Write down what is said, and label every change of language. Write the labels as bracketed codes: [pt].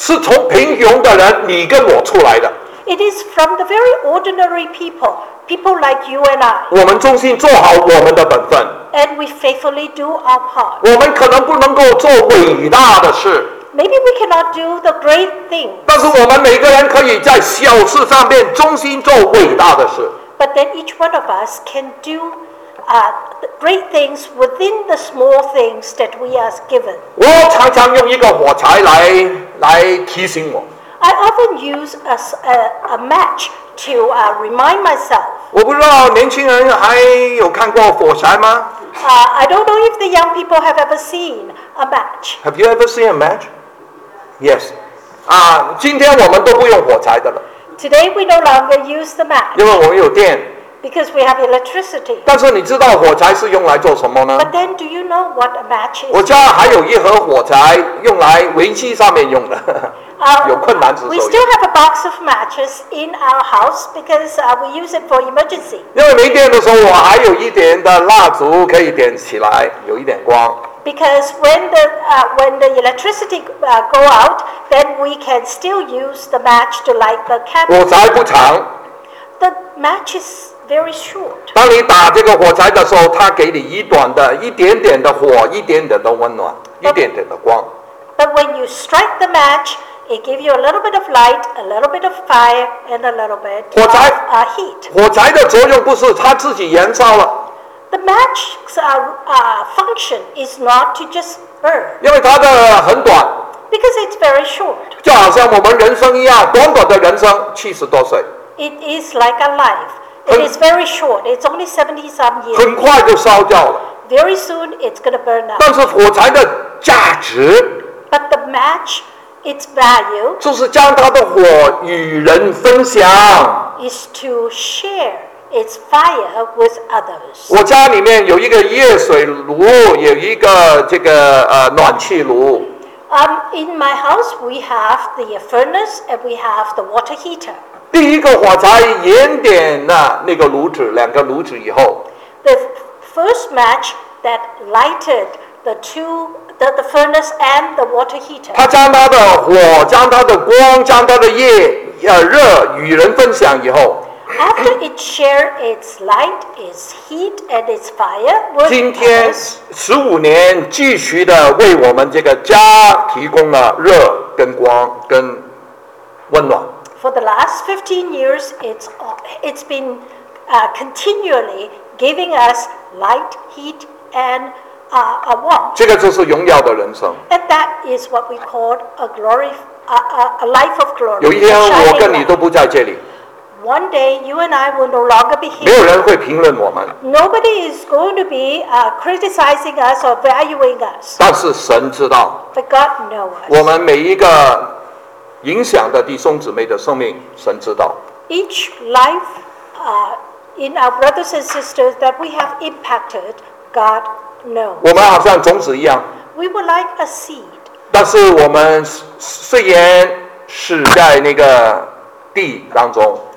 [zh] 是从贫穷的人你跟我出来的。 [en] It is from the very ordinary people, people like you and I. [zh] 我们忠心做好我们的本分。 [en] And we faithfully do our part. [zh] 我们可能不能够做伟大的事。 [en] Maybe we cannot do the great things. [zh] 但是我们每个人可以在小事上面忠心做伟大的事。 [en] But then each one of us can do the great things within the small things that we are given. [zh] 我常常用一个火柴来提醒我。 [en] I often use a match to remind myself. [zh] 我不知道年轻人还有看过火柴吗？ [en] I don't know if the young people have ever seen a match. Have you ever seen a match? Yes. [zh] 今天我们都不用火柴的了。 [en] Today we no longer use the match. [zh] 因为我们有电。 [en] Because we have electricity. [zh] 但是你知道火柴是用来做什么呢？ [en] But then do you know what a match is? [zh] 我家还有一盒火柴用来围棋上面用的。有困难之时候。 [en] We still have a box of matches in our house because we use it for emergency. [zh] 因为没电的时候，我还有一点的蜡烛可以点起来，有一点光。 [en] Because when the electricity go out, then we can still use the match to light the candle. [zh] 火柴不长。 [en] The match is very short. [zh] 当你打这个火柴的时候，它给你一短的一点点的火，一点点的温暖，一点点的光。 [en] But when you strike the match, it gives you a little bit of light, a little bit of fire, and a little bit of heat. [zh] 火柴的作用不是它自己燃烧了。 [en] The match's function is not to just burn. [zh] 因为它的很短。 [en] Because it's very short. [zh] 就好像我们人生一样，短短的人生，七十多岁。 [en] It is like a life. It is very short. It's only 70 some years. [zh] 很快就烧掉了。 [en] Very soon, it's going to burn out. [zh] 但是火柴的价值。 [en] But the match, its value, [zh] 就是将它的火与人分享。 [en] Is to share its fire with others. [zh] 我家里面有一个热水炉，有一个这个暖气炉。 [en] In my house, we have the furnace and we have the water heater. [zh] 第一个火柴燃点了那个炉子，两个炉子以后。 [en] The first match that lighted the furnace and the water heater. [zh] 他将他的火，将他的光，将他的热与人分享以后。 [en] After it shared its light, its heat, and its fire, [zh] 今天十五年继续的为我们这个家提供了热跟光跟温暖。 [en] For the last 15 years, it's been continually giving us light, heat, and [zh] 这个就是荣耀的人生。 [en] And that is what we call a life of glory. [zh] 有一天我跟你都不在这里。 [en] one day you and I will no longer be here. [zh] 没有人会评论我们。 [en] Nobody is going to be criticizing us or valuing us. [zh] 但是神知道。 [en] But God knows. [zh] 我们每一个影响的弟兄姊妹的生命，神知道。 [en] Each life, in our brothers and sisters that we have impacted, God knows. [zh] 我们好像种子一样。 [en] We were like a seed. [zh] 但是我们虽然死在那个地当中。